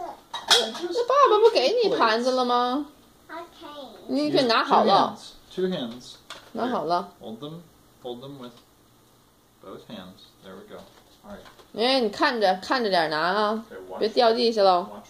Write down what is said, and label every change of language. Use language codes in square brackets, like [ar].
[zh] 那爸爸不给你盘子了吗 [en] ？OK。 [zh] 你可拿好了。 [en] Two hands. [zh] 拿好了。 [en] Hold them with both hands. There we go. All right. [zh] 哎，你看着点拿啊，别掉地下喽。